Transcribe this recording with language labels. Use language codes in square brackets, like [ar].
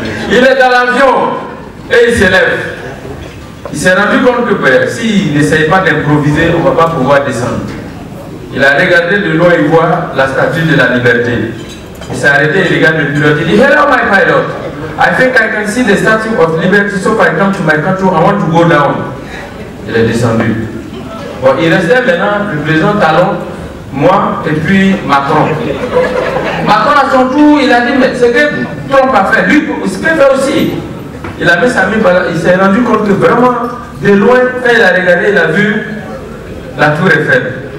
[fr] Il est dans l'avion et il s'élève. Il s'est rendu compte que s'il n'essaye pas d'improviser, on ne va pas pouvoir descendre. Il a regardé de loin et voit la statue de la liberté. Il s'est arrêté, il regarde le pilote. Il dit, [en] hello my pilot. I think I can see the statue of liberty, so if I come to my country, I want to go down. [fr] Il est descendu. Bon, il restait maintenant le président Talon, moi et puis Macron. Macron à son tour, il a dit, mais ce que Trump a fait, lui, il se peut faire aussi. Il avait sa main, il s'est rendu compte que vraiment, de loin, quand il a regardé, il a vu la tour Eiffel.